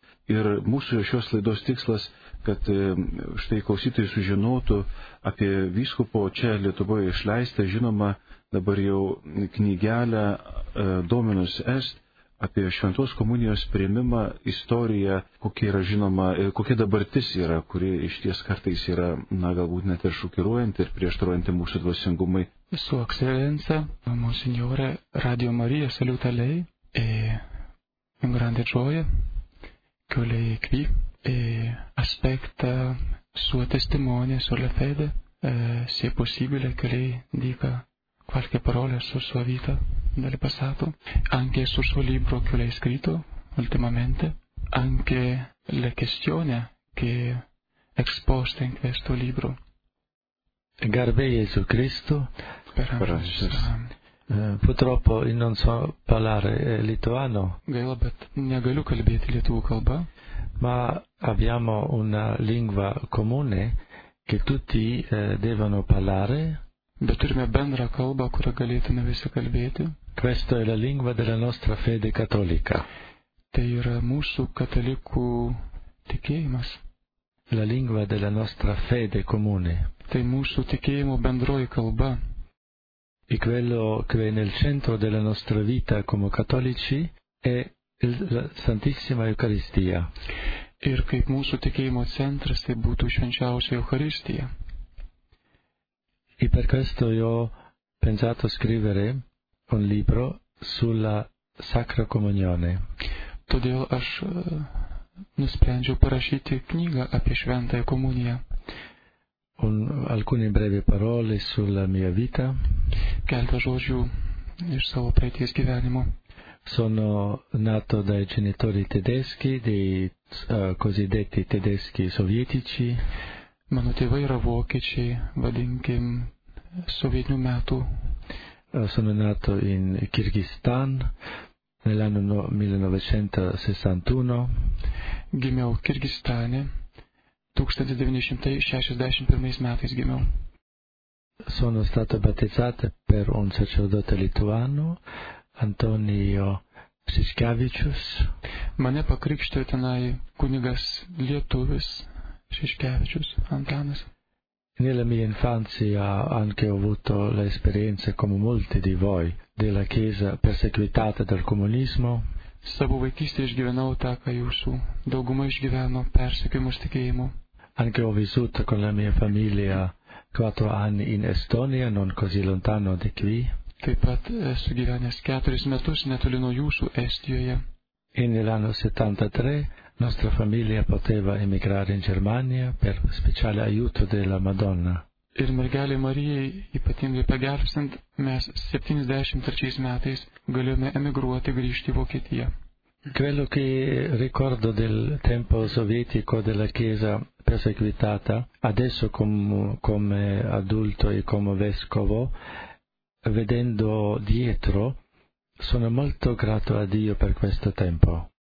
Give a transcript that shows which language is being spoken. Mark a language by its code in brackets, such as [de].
[lt] Ir mūsų šios laidos tikslas, kad štai klausytojai sužinotų apie vyskupo čia Lietuvoje išleistą, žinoma, dabar jau knygelę Dominus Est apie šventos komunijos priėmimą istoriją, kokia yra žinoma, kokia dabartis yra, kuri išties kartais yra, na, galbūt net ir šokiruojanti ir prieštaruojanti mūsų dvasingumai. Su ekscelencija, monsinjore, [it] Radio Marija, saliutaliai, grande gioia, che lei è qui e aspetta sua testimonia sulla fede, se è possibile che lei dica qualche parola sulla sua vita del passato, anche sul suo libro che lei ha scritto ultimamente, anche le questioni che è esposta in questo libro. Garbe Gesù Cristo, speranza. Purtroppo non so parlare lituano. [lt] Gaila, bet negaliu kalbėti lietuvių kalba. [it] Ma abbiamo una lingua comune che tutti devono parlare. [lt] Bet turime bendrą kalbą, kurią galėtume visi kalbėti. [it] Questa è la lingua della nostra fede cattolica. [lt] Tai yra mūsų katalikų tikėjimas. [it] La lingua della nostra fede comune. [lt] Tai mūsų tikėjimo bendroji kalba. [it] E quello che è nel centro della nostra vita come cattolici è la Santissima Eucaristia. [lt] Ir kaip mūsų tikėjimo centras, tai būtų švenčiausia Eucaristija. [it] E per questo io ho pensato scrivere un libro sulla Sacra Comunione. [lt] Todėl aš nusprendžiau parašyti knygą apie Šventąją Komuniją. [it] Alcune brevi parole sulla mia vita. [lt] Keletą žodžių iš savo praeities gyvenimo. [it] Sono nato dai genitori tedeschi, dei cosiddetti tedeschi sovietici. [lt] Mano tėvai yra vokiečiai, vadinkim, sovietinių metų. [it] Sono nato in Kirgistan nell'anno 1961. [lt] Gimiau Kirgistane. 1961 metais gimiau. [it] Sono stato battezzato per un sacerdote lituano, Antonio Šiškevičius. [lt] Mane pakrikštė tenai kunigas lietuvis Šiškevičius Antanas. [it] Nella mia infanzia anche ho avuto l'esperienza, come molti di voi, della chiesa perseguitata dal comunismo. [lt] Savo vaikystėje išgyvenau tą, ką jūsų dauguma išgyveno persekiojimus tikėjimu. [it] Anche ho vissuto con la mia famiglia 4 anni in Estonia, non così lontano da qui. [lt] Taip pat esu gyvenęs 4 metus netoli nuo jūsų Estijoje. [it] E nell'anno 73 nostra famiglia poteva emigrare in Germania per speciale aiuto della Madonna. [lt] Ir mergelė Marijai, ypatingai pagelbstant, mes 73 metais galėjome emigruoti grįžti į Vokietiją. [it] Quello che ricordo del tempo sovietico della Chiesa perseguitata, adesso come adulto e come vescovo, vedendo dietro, sono molto grato a Dio per questo tempo.